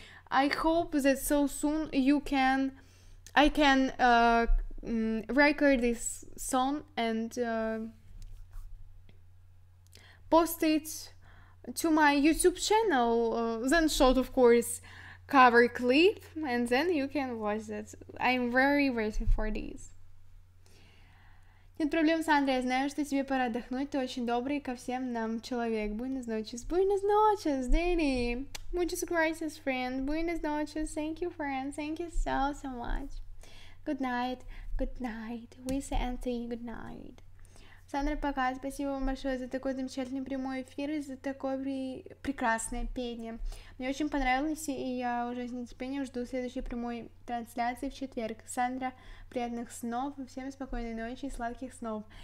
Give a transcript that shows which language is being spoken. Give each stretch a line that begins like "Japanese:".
English: I hope that so soon you can, I can record this song and post it to my YouTube channel, then short, of course, cover clip, and then you can watch that. I'm very waiting for this.
Russian: Нет проблем, Сандра, я знаю, что тебе пора отдохнуть, ты очень добрый ко всем нам человек.
Spanish: Buenas noches, buenas noches,
English: daily.
Spanish: Muchas gracias,
English: friend.
Spanish: Buenas noches,
English: thank you, friend. Thank you so, so much. Good night, we say and say good night.
Russian: Сандра, пока, спасибо вам большое за такой замечательный прямой эфир и за такое прекрасное пение. Мне очень понравилось, и я уже с нетерпением жду следующей прямой трансляции в четверг. Сандра, приятных снов, и всем спокойной ночи и сладких снов.